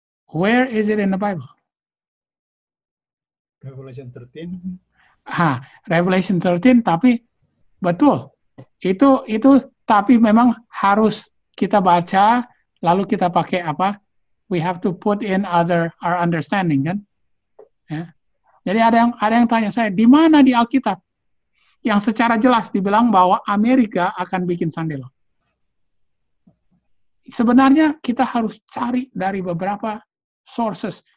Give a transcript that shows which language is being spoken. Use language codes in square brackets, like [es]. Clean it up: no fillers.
[en] Where is it in the Bible? Revelation 13. [id] Revelation 13, tapi betul. Itu tapi memang harus kita baca, lalu kita pakai apa? [en] We have to put in our understanding, kan? [id] Ya. Jadi ada yang tanya saya, di mana di Alkitab yang secara jelas dibilang bahwa Amerika akan bikin Sunday Law? Sebenarnya kita harus cari dari beberapa sources.